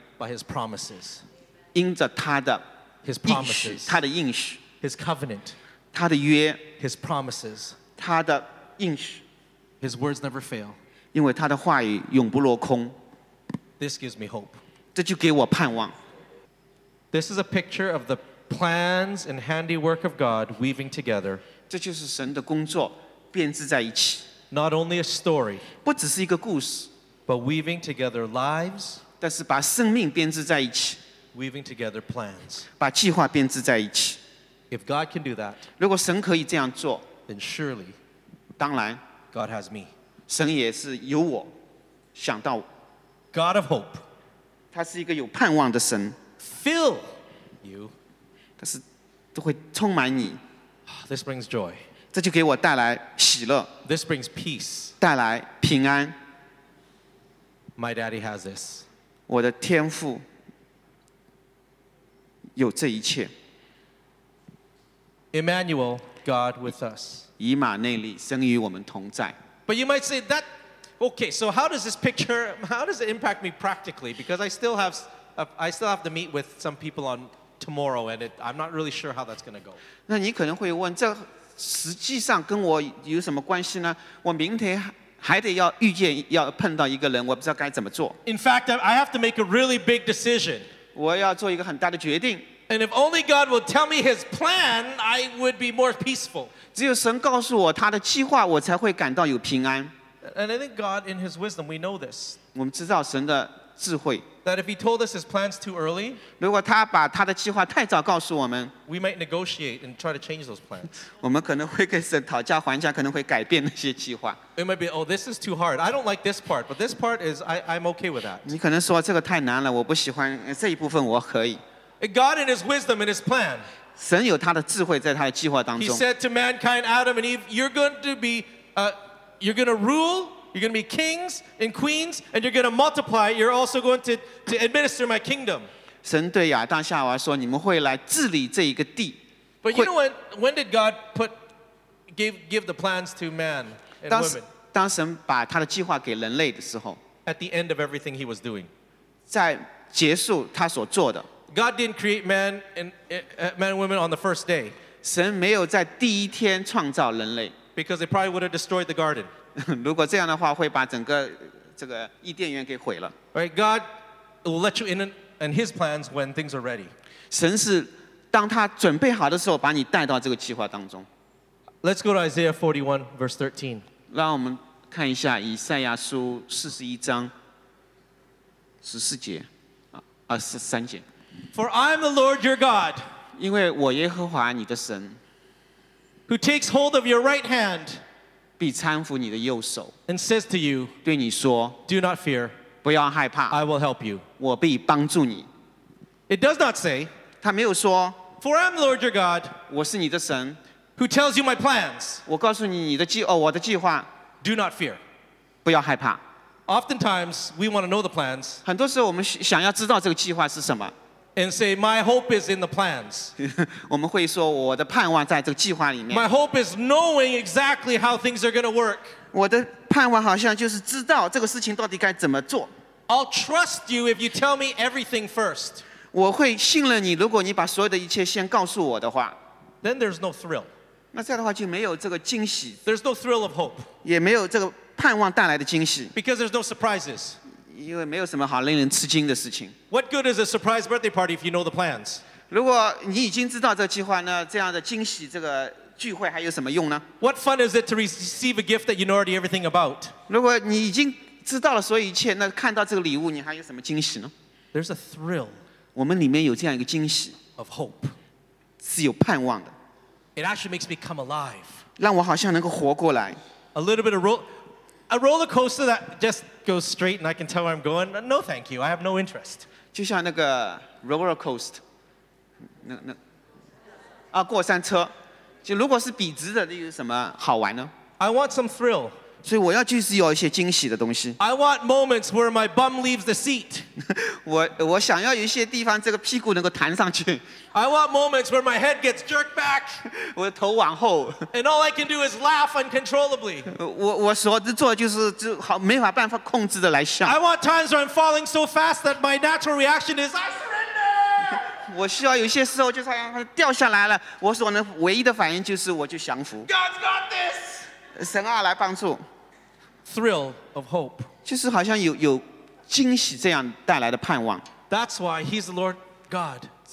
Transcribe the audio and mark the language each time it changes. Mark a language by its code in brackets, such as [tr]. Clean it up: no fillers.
[en] by his promises [zh] 因着他的 [en] his promises [zh] 他的应许 [en] his covenant [zh] 他的约 [en] his promises [zh] 他的应许 [en] his words never fail [zh] 因为他的话语永不落空 [en] this gives me hope [zh] 这就给我盼望 [en] this is a picture of the plans and handiwork of God weaving together [zh] 这就是神的工作编织在一起 [en] not only a story [zh] 不只是一个故事 [en] but weaving together lives [zh] 但是把生命编织在一起 [en] weaving together plans [zh] 把计划编织在一起 [en] If God can do that, [zh] 如果神可以这样做 [en] then surely, [zh] 当然 [en] God has me. [zh] 神也是有我想到 [en] God of hope, [zh] 他是一个有盼望的神 [en] fill you, [zh] 但是都会充满你 [en] This brings joy. [zh] 这就给我带来喜乐 [en] This brings peace. [zh] 带来平安 [en] My daddy has this. [zh] 我的天父有这一切 [en] Emmanuel, God with us. [zh] 以马内利，神与我们同在。 [en] But you might say that. Okay, so how does this picture? How does it impact me practically? Because I still have to meet with some people on tomorrow, and I'm not really sure how that's going to go. [zh] 那你可能会问，这实际上跟我有什么关系呢？我明天还得要遇见，要碰到一个人，我不知道该怎么做。 [en] In fact, I have to make a really big decision. [zh] 我要做一个很大的决定。 [en] And if only God would tell me His plan, I would be more peaceful. [zh] 只有神告诉我他的计划，我才会感到有平安。 [en] And I think God, in His wisdom, we know this. [zh] 我们知道神的智慧。 [en] That if He told us His plans too early, [zh] 如果他把他的计划太早告诉我们 [en] we might negotiate and try to change those plans. [zh] 我们可能会跟神讨价还价，可能会改变那些计划。 [en] It might be, oh, this is too hard. I don't like this part, but this part is, I'm okay with that. [zh] 你可能说这个太难了，我不喜欢这一部分，我可以。 [en] God in His wisdom and His plan. [zh] 神有他的智慧在他的计划当中。 [en] He said to mankind, Adam and Eve, "You're going to be, you're going to rule. You're going to be kings and queens, and you're going to multiply. You're also going to administer my kingdom." [zh] 神对亚当夏娃说，你们会来治理这一个地。 [en] But you know when did God put give the plans to man and woman? [zh] 当神把他的计划给人类的时候。 [en] At the end of everything he was doing. [zh] 在结束他所做的。 [en] God didn't create man and woman on the first day. [zh] 神没有在第一天创造人类。 [en] Because they probably would have destroyed the garden. [zh] 如果这样的话，会把整个这个伊甸园给毁了。 [en] Right, God will let you in his plans when things are ready. [zh] 神是当他准备好的时候，把你带到这个计划当中。 [en] Let's go to Isaiah 41, verse 13. [zh] 让我们看一下以赛亚书41章14节，23节。 [en] For I am the Lord your God. [zh] 因为我耶和华你的神。 [en] Who takes hold of your right hand. [zh] 必搀扶你的右手。 [en] And says to you. [zh] 对你说。 [en] Do not fear. [zh] 不要害怕。 [en] I will help you. [zh] 我必帮助你。 [en] It does not say. [zh] 他没有说。 [en] For I am the Lord your God. [zh] 我是你的神。 [en] Who tells you my plans. [zh] 我告诉你你的计哦我的计划。 [en] Do not fear. [zh] 不要害怕。 [en] Oftentimes we want to know the plans. [zh] 很多时候我们想要知道这个计划是什么。 [en] And say, my hope is in the plans. [zh] 我们会说我的盼望在这个计划里面。 [en] My hope is knowing exactly how things are going to work. [zh] 我的盼望好像就是知道这个事情到底该怎么做。 [en] I'll trust you if you tell me everything first. [zh] 我会信任你如果你把所有的一切先告诉我的话。 [en] Then there's no thrill. [zh] 那这样的话就没有这个惊喜。 [en] There's no thrill of hope. [zh] 也没有这个盼望带来的惊喜。 [en] Because there's no surprises. [zh] 因为没有什么好令人吃惊的事情。 [en] What good is a surprise birthday party if you know the plans? [zh] 如果你已经知道这个计划呢，这样的惊喜这个聚会还有什么用呢？ [en] What fun is it to receive a gift that you know already everything about? [zh] 如果你已经知道了所有一切，那看到这个礼物，你还有什么惊喜呢？ [en] There's a thrill. [zh] 我们里面有这样一个惊喜。 [en] Of hope. [zh] 是有盼望的。 [en] It actually makes me come alive. [zh] 让我好像能够活过来。 [en] A little bit of a roller coaster that just goes straight and I can tell where I'm going. No, thank you. I have no interest. [zh] 就像那个 roller coaster, 那过山车，就如果是笔直的，那有什么好玩呢？ [en] I want some thrill. [zh] 所以我要就是有一些惊喜的东西。 [en] I want moments where my bum leaves the seat. [zh] 我想要有一些地方这个屁股能够弹上去。 [en] I want moments where my head gets jerked back. [zh] 我的头往后。 [en] And all I can do is laugh uncontrollably. [zh] 我所做的就是就好没法办法控制的来笑。 [en] I want times where I'm falling so fast that my natural reaction is I surrender. [zh] 我需要有些时候就是它掉下来了，我所能唯一的反应就是我就降服。 [en] God's got this. [zh] 神啊，来帮助。 [en] Thrill of hope. [zh] 就是好像有惊喜这样带来的盼望。 [en] That's why He's the Lord God.